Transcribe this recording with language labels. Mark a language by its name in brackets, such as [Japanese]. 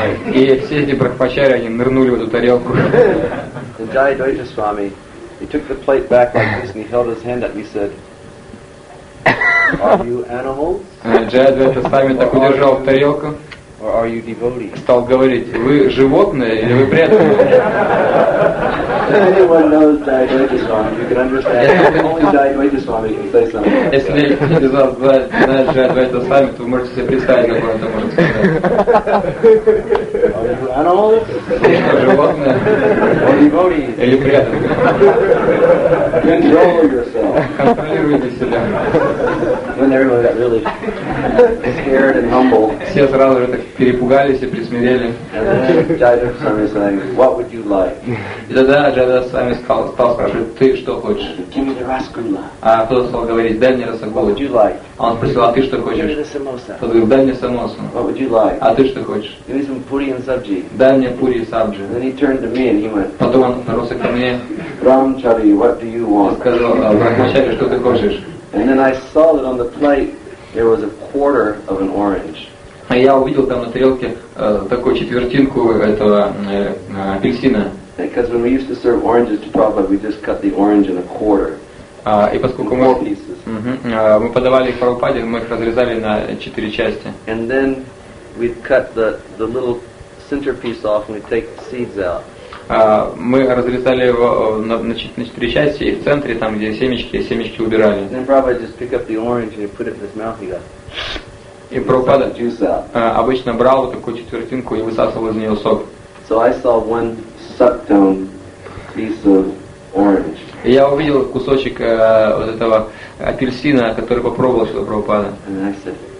[Russian] И все эти брахмачари, они нырнули в эту тарелку. [English] Джай Адвайта Свами, he took the plate back like this and he held his hand up and he said, are you animals? [Russian] Джай Адвайта Свами так удержал тарелку. [English] Or are you devotees? [Russian] Стал говорить, вы животные или вы преданные? [English] Anyone knows Jai Advaita Swami, you can understand. [Russian] Если кто-то из вас знает Jai Advaita Swami, то вы можете себе представить, как он это может сказать. [English] Are you animals? [Russian] Животные? [English] Or devotees? [Russian] Или преданные? [English] Control yourself. [Russian] Контролируйте себя. [English] When everyone got really scared and humble. [Russian] Все сразу же так перепугались и присмирели. И тогда Джайдар Свами стал спрашивать, ты что хочешь? А кто-то стал говорить, дай мне расагулу. А он спросил, а ты что хочешь? Тот говорит, дай мне самосу. А ты что хочешь? Дай мне пури и сабджи. Потом он повернулся ко мне и сказал, Брахмачари, что ты хочешь? [English] And then I saw that on the plate there was a quarter of an orange. [Russian] А я увидел там на тарелке такую четвертинку этого апельсина. [English] Because when we used to serve oranges to Prabhupada, we just cut the orange in a quarter. [Russian] И поскольку мы подавали их Прабхупаде, мы их разрезали на четыре части. [English] And then we'd cut the little centerpiece off and we'd take the seeds out. [Russian] Мы разрезали его на четыре части, и в центре, там, где семечки убирали. [English] And then Prabhupada just pick up the orange and put it in his mouth, he'd go. [Russian] И Прабхупада обычно брал вот такую четвертинку и высасывал из нее сок. [English] So I saw one sucked down piece of orange. [Russian] И я увидел кусочек вот этого апельсина, который попробовал что-то Прабхупада. [English] And I said,